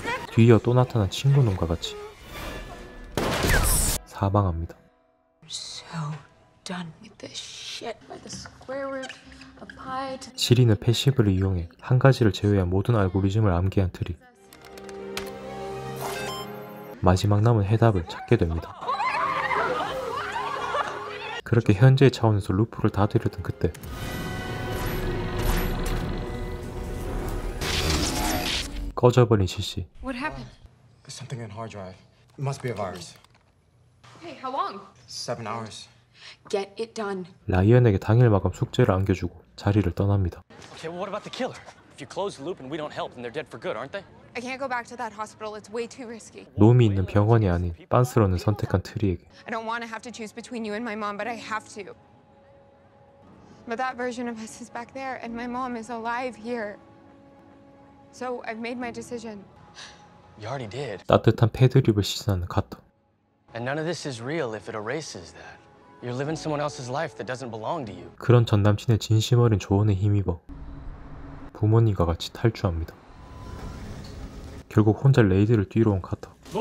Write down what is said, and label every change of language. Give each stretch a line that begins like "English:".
Korean: 뒤이어 또 나타난 친구 놈과 같이 사망합니다.
English: So done with this shit by the square root of pi.
Korean: 지리는 패시브를 이용해 한 가지를 제외한 모든 알고리즘을 암기한 트리. 마지막 남은 해답을 찾게 됩니다. 그렇게 현재의 차원에서 루프를 다스리던 그때 꺼져버린 CC.
English: What happened? There's something in hard drive. It must be a virus. Hey, how long? 7 hours. Get it done.
Korean: 라이언에게 당일 마감 숙제를 안겨주고 자리를 떠납니다.
English: Okay, well, what about the killer? If you close the loop and we don't help, then they're dead for good, aren't they? I can't go back to that hospital. It's way too risky.
Korean: 놈이 있는 병원이 아닌 빤스런을 선택한 트리에게.
English: I don't want to have to choose between you and my mom, but I have to. But that version of us is back there, and my mom is alive here. So I've made my decision. You already did.
Korean: 따뜻한 패드립을 시전하는 카토.
English: And none of this is real if it erases that. You're living someone else's life that doesn't belong to you.
Korean: 그런 전 남친의 진심 어린 조언에 힘입어 부모님과 같이 탈출합니다. 결국 혼자 레이드를 뛰러 온 카터.